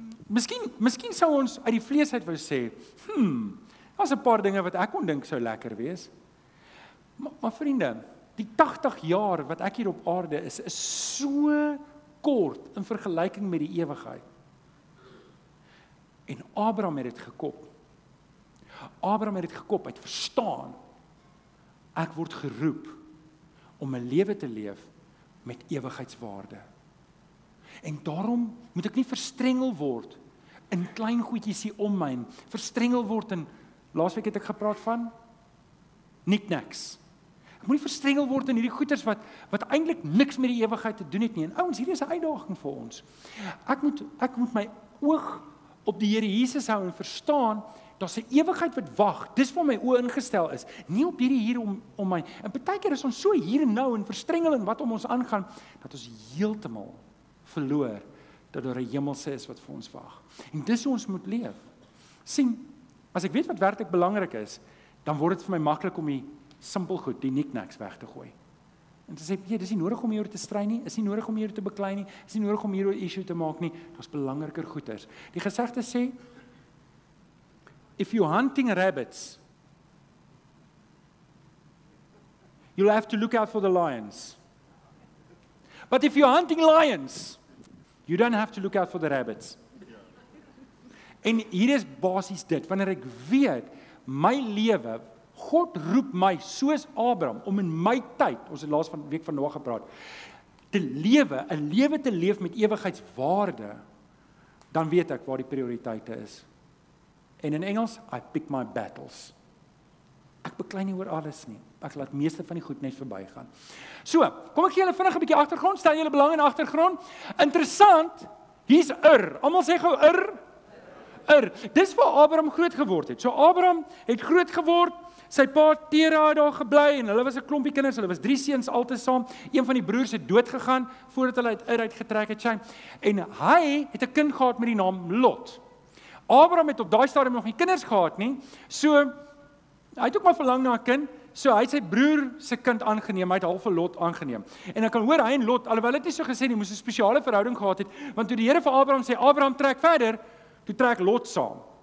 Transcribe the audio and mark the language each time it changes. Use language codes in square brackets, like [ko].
[af] Miskien sou ons uit die vlees uit wou sê, daar's 'n paar dinge wat ek kon dink sou lekker wees. Maar vriende, die 80 jaar wat ek hier op aarde is so kort in vergelyking met die ewigheid. En Abraham het dit gekop. Abraham het dit gekop, hy het verstaan. Ek word geroep om 'n lewe te leef met ewigheidswaarde. En daarom moet ek nie verstrengel word in klein goedjies hier om my. Verstrengel word in, laasweek het ek gepraat van, knickknacks. Ek moet nie verstrengel word in hierdie goeders wat eintlik niks met die ewigheid te doen het nie. En ouens, hierdie is 'n uitdaging vir ons. Ek moet my oog op die Here Jesus hou en verstaan, daar's 'n ewigheid wat wag. Dis waar my oë ingestel is. Nie op hierdie hier om my. En partykeer is ons so hier en nou en verstrengel in wat om ons aangaan, dat ons heeltemal verloor dat daar 'n hemelse is wat vir ons wag. En dis hoe ons moet leef. Sien, as ek weet wat werklik belangrik is, dan word dit vir my maklik om die simpel goed, die knickknacks weg te gooi. En te sê, "Ja, dis nie nodig om hier te strei nie, is nie nodig om hier te beklei nie, is nie nodig om hier 'n issue te maak nie. Daar's belangriker goeders." [en] Die gesegde sê, "If you're hunting rabbits, you'll have to look out for the lions. But if you're hunting lions, you don't have to look out for the rabbits." [af] En hier is basies dit, wanneer ek weet my lewe, God roep my soos Abraham om in my tyd, ons het laas van week van Noag gepraat, te lewe, 'n lewe te leef met ewigheidswaarde, dan weet ek waar die prioriteite is. En in Engels, [en] I pick my battles. [af] Ek beklei nie oor alles nie. Ek laat meeste van die goed net verbygaan. So, kom ek gee julle vinnig 'n bietjie agtergrond, stel julle belang in agtergrond. Interessant, hier's Almal sê gou Ur. Dis waar Abraham groot geword het. So Abraham het groot geword, sy pa Tera het daar gebly en hulle was 'n klompie kinders, hulle was 3 seuns altesaam. Een van die broers het dood gegaan voordat hulle uit Ur uitgetrek het, sy. En hy het 'n kind gehad met die naam Lot. Abraham het op daai stadium nog nie kinders gehad nie. So hy het ook maar verlang na 'n kind. So hy het sy broer se kind aangeneem, hy het half vir Lot aangeneem. En ek kan hoor hy en Lot, alhoewel dit nie so gesê nie, moes 'n spesiale verhouding gehad het, want toe die Here vir Abraham sê Abraham trek verder, toe trek Lot saam.